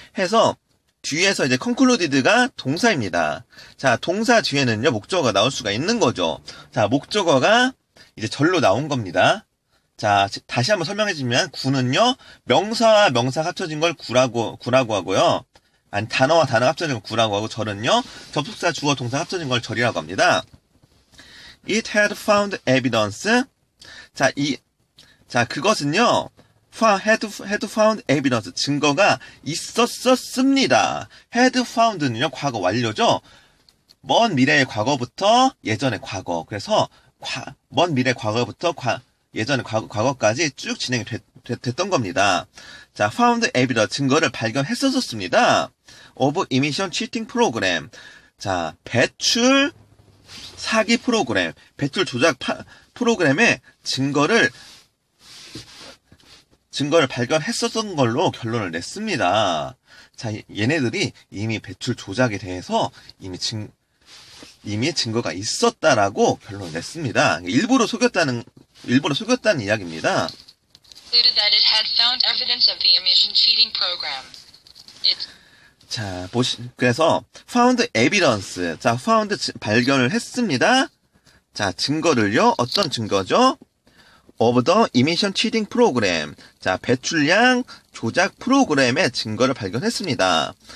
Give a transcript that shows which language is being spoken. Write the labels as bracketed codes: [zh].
[ko] 해서, 뒤에서 이제 concluded가 동사입니다. 자, 동사 뒤에는요, 목적어가 나올 수가 있는 거죠. 자, 목적어가 이제 절로 나온 겁니다. 자, 다시 한번 설명해주면, 구는요, 명사와 명사 합쳐진 걸 구라고 하고요. 아니, 단어와 단어 합쳐진 걸 구라고 하고, 절은요, 접속사, 주어, 동사 합쳐진 걸 절이라고 합니다. [en] It had found evidence. [ko] 그것은요, [en] had found evidence. [ko] 증거가 있었었습니다. had found는요, 과거 완료죠? 먼 미래의 과거부터 예전의 과거. 그래서, 먼 미래 과거부터 예전의 과거까지 쭉 진행이 됐던 겁니다. [en] 자, found evidence. [ko] 증거를 발견했었습니다. [en] of emission cheating program. [ko] 자, 배출 사기 프로그램. 배출 조작 프로그램의 증거를 발견했었던 걸로 결론을 냈습니다. 자, 얘네들이 이미 배출 조작에 대해서 이미 증거가 있었다라고 결론을 냈습니다. 일부러 속였다는 이야기입니다. [en] That it had found evidence of the emission cheating program. [ko] 자, 그래서 [en] found evidence. [ko] 자, found 발견을 했습니다. [en] 자, 증거를요. 어떤 증거죠? Of the emission cheating program. [ko] 자, 배출량 조작 프로그램의 증거를 발견했습니다.